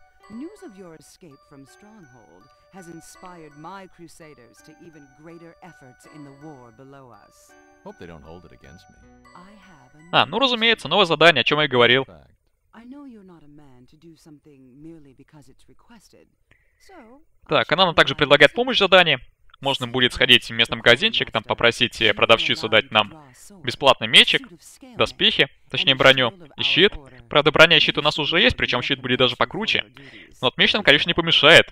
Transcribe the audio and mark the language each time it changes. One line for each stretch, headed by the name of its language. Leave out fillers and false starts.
English: News of your escape from Stronghold has inspired my crusaders to even greater efforts in the war below us. Hope they don't hold it against me.
Russian: А, ну разумеется, новое задание, о чем я и говорил.
English: I know you're not a man to do something merely because it's requested.
Russian: So, так, она нам также предлагает помощь в задании. Можно будет сходить в местный магазинчик, там попросить продавщицу дать нам бесплатный мечик, доспехи, точнее броню и щит. Правда, броня и щит у нас уже есть, причем щит будет даже покруче. Но от меч нам, конечно, не помешает.